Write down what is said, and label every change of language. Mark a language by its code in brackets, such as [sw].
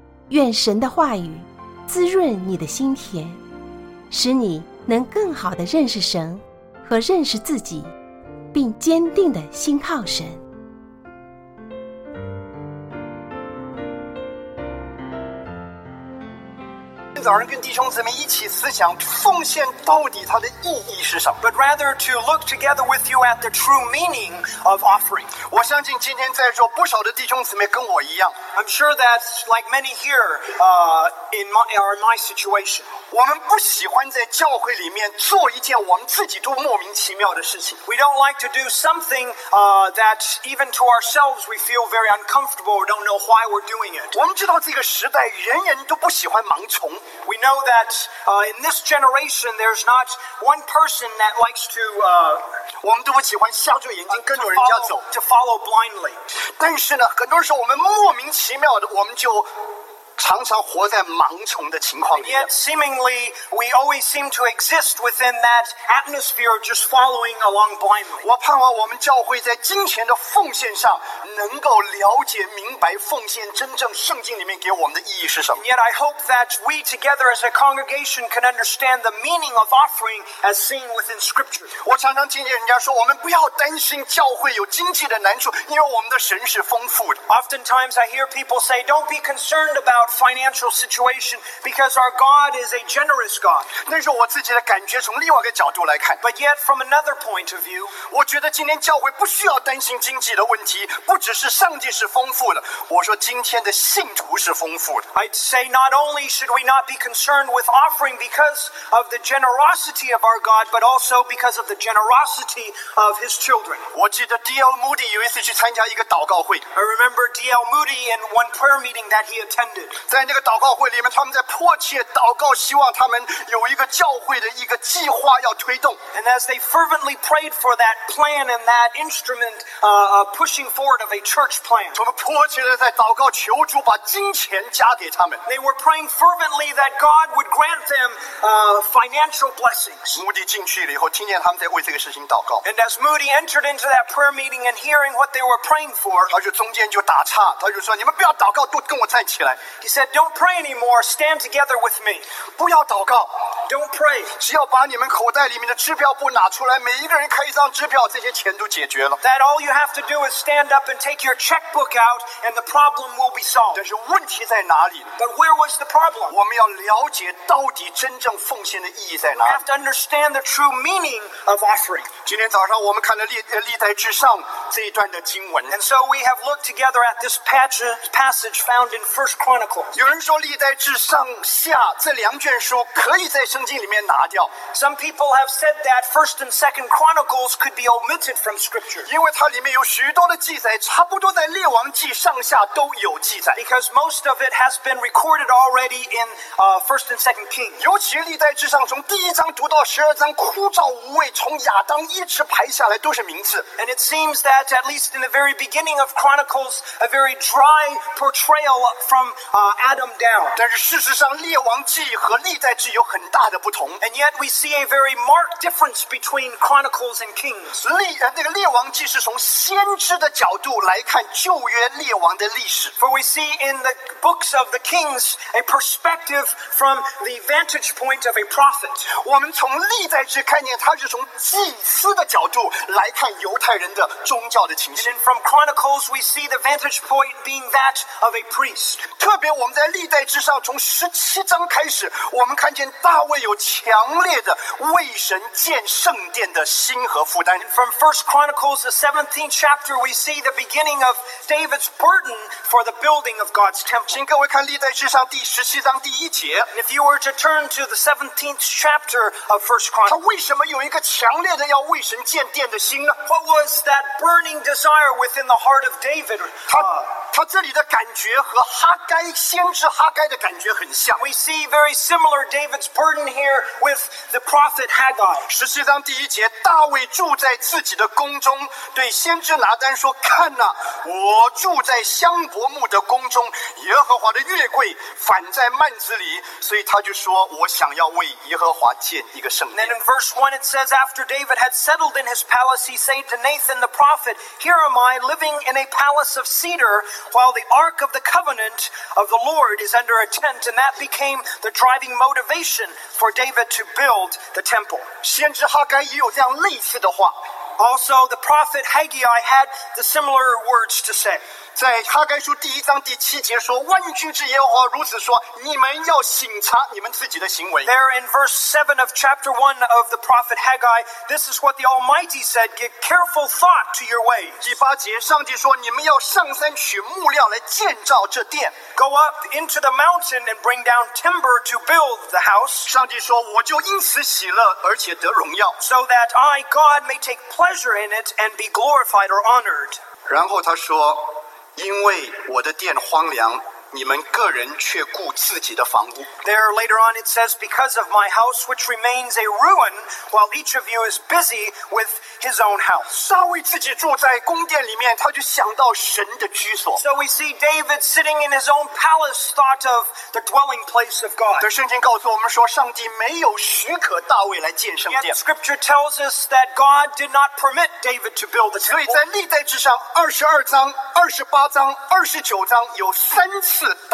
[zh] 愿神的话语滋润你的心田，使你能更好地认识神和认识自己，并坚定地信靠神。早上跟弟兄姊妹一起思想奉献到底它的意义是什么。 [en] But rather to look together with you at the true meaning of offering. [zh] 我相信今天在座不少的弟兄姊妹跟我一样。 [en] I'm sure that like many here, in my situation. [zh] 我们不喜欢在教会里面做一件我们自己都莫名其妙的事情。 [en] We don't like to do something, that even to ourselves we feel very uncomfortable or don't know why we're doing it. [zh] 我们知道这个时代人人都不喜欢盲从。 [en] We know that in this generation, there's not one person that likes to, [zh] 我们都不喜欢瞎着眼睛跟着人家走 [en] to follow blindly. [zh] 但是呢，很多时候我们莫名其妙的，我们就常常活在盲从的情况里面。 [en] And yet, seemingly, we always seem to exist within that atmosphere of just following along blindly. [zh] 我盼望我们教会在金钱的奉献上能够了解明白奉献真正圣经里面给我们的意义是什么。 [en] And yet, I hope that we together as a congregation can understand the meaning of offering as seen within scripture. [zh] 我常常听见人家说，我们不要担心教会有经济的难处，因为我们的神是丰富的。 [en] Oftentimes, I hear people say, don't be concerned aboutfinancial situation because our God is a generous God. [zh] 那是我自己的感觉，从另外一个角度来看。 [en] But yet, from another point of view, [zh] 我觉得今天教会不需要担心经济的问题，不只是上帝是丰富的，我说今天的信徒是丰富的。 [en] I'd say not only should we not be concerned with offering because of the generosity of our God, but also because of the generosity of his children. [zh] 我记得 D.L. Moody 有一次去参加一个祷告会。 [en] I remember D.L. Moody in one prayer meeting that he attended. [zh] 在那个祷告会里面，他们在迫切祷告，希望他们有一个教会的一个计划要推动。 [en] And as they fervently prayed for that plan and that instrument, pushing forward of a church plan, [zh] 他们迫切的在祷告，求主把金钱加给他们。 [en] They were praying fervently that God would grant them, financial blessings. [zh] 穆迪进去了以后，听见他们在为这个事情祷告。 [en] And as Moody entered into that prayer meeting and hearing what they were praying for, [zh] 他就中间就打岔，他就说：“你们不要祷告，都跟我站起来。” [en] He said, "Don't pray anymore. Stand together with me." [zh] 不要祷告 [en] Don't pray. [zh] 只要把你们口袋里面的支票簿拿出来，每一个人开一张支票，这些钱都解决了 [en] That all you have to do is stand up and take your checkbook out, and the problem will be solved. [zh] 但是问题在哪里 [en] But where was the problem? [zh] 我们要了解到底真正奉献的意义在哪里 [en] We have to understand the true meaning of offering. [zh] 今天早上我们看了历代至上这一段的经文 [en] And so we have looked together at this passage found in First Chronicles. [zh] 有人说历代至上下这两卷书可以在圣经里面拿掉。 [en] Some people have said that First and Second Chronicles could be omitted from Scripture. [zh] 因为它里面有许多的记载，差不多在列王记上下都有记载。 [en] Because most of it has been recorded already in First and Second Kings. [zh] 尤其历代至上从第一章读到十二章，枯燥无味，从亚当一直排下来都是名字。 [en] And it seems that at least in the very beginning of Chronicles, a very dry portrayal from Adam down. [zh] 但是事实上列王记和历代记有很大的不同。 [en] And yet we see a very marked difference between Chronicles and Kings. [zh] 列王记是从先知的角度来看旧约列王的历史。 [en] For we see in the books of the Kings a perspective from the vantage point of a prophet. [zh] 我们从历代记看见他是从祭司的角度来看犹太人的宗教的情形。 [en] And from Chronicles we see the vantage point being that of a priest. [zh] 特别我们在历代之上从十七章开始我们看见大卫有强烈的为神建圣殿的心和负担 [en] From 1 Chronicles the 17th chapter we see the beginning of David's burden for the building of God's temple [zh] 请各位看历代之上第十七章第一节 [en] If you were to turn to the 17th chapter of 1 Chronicles [zh] 他为什么有一个强烈的要为神建殿的心呢 [en] What was that burning desire within the heart of David? [zh] 他他这里的感觉和哈该先知哈该的感觉很像。 [en] We see very similar David's burden here with the prophet Haggai. [zh] 十七章第一节，大卫住在自己的宫中，对先知拿单说：“看哪、啊，我住在香柏木的宫中，耶和华的月桂反在幔子里。” 所以他就说：“我想要为耶和华建一个圣殿。” [en] Then in verse 1 it says, after David had settled in his palace, he said to Nathan the prophet, "Here am I living in a palace of cedar, while the ark of the covenant of the Lord is under a tent." And that became the driving motivation for David to build the temple. [zh] 先知哈该也有这样类似的话。 [en] Also, the prophet Haggai had the similar words to say. [zh] 在哈该书第一章第七节说，万军之耶和华如此说，你们要省察你们自己的行为。 [en] There in verse 7 of chapter 1 of the prophet Haggai, this is what the Almighty said, give careful thought to your ways. [zh] 第八节，上帝说，你们要上山取木料来建造这殿。 [en] Go up into the mountain and bring down timber to build the house. [zh] 上帝说，我就因此喜乐，而且得荣耀。 [en] So that I, God, may take pleasure in it and be glorified or honored. [zh] 然后他说，因为我的殿荒凉，你们个人却顾自己的房屋。 [en] There later on it says, because of my house which remains a ruin, while each of you is busy with his own house. [zh] 大卫自己住在宫殿里面，他就想到神的居所。 [en] So we see David sitting in his own palace thought of the dwelling place of God. [zh] 但圣经告诉我们说，上帝没有许可大卫来建圣殿。 [en] Yet scripture tells us that God did not permit David to build the temple. [zh] 所以在历代志上二十二章、二十八章、二十九章有三次。